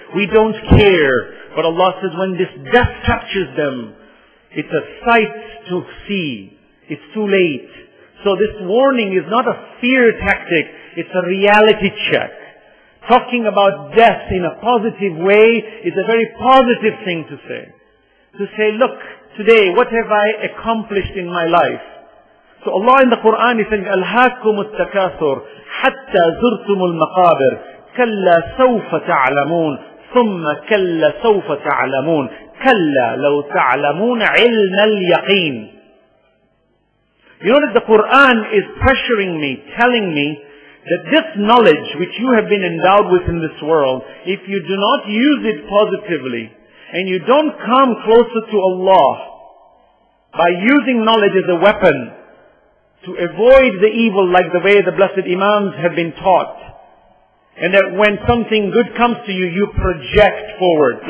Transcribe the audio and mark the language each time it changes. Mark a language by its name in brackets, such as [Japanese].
[English] We don't care. But Allah says when this death touches them, it's a sight to see. It's too late. So this warning is not a fear tactic. It's a reality check. Talking about death in a positive way is a very positive thing to say. To say, look, today, what have I accomplished in my life? So Allah in the Quran is saying, [Arabic] أَلْهَاكُمُ التَّكَاثُرُ حَتَّى زُرْتُمُ الْمَقَابِرِ كَلَّا سَوْفَ تَعْلَمُونَ ثُمَّ كَلَّا سَوْفَ تَعْلَمُونَ كَلَّا لَوْ تَعْلَمُونَ عِلْمَ الْيَقِينَ. [English] You know that the Quran is pressuring me, telling me that this knowledge which you have been endowed with in this world, if you do not use it positively, and you don't come closer to Allah by using knowledge as a weapon to avoid the evil like the way the blessed Imams have been taught, and that when something good comes to you, you project forward.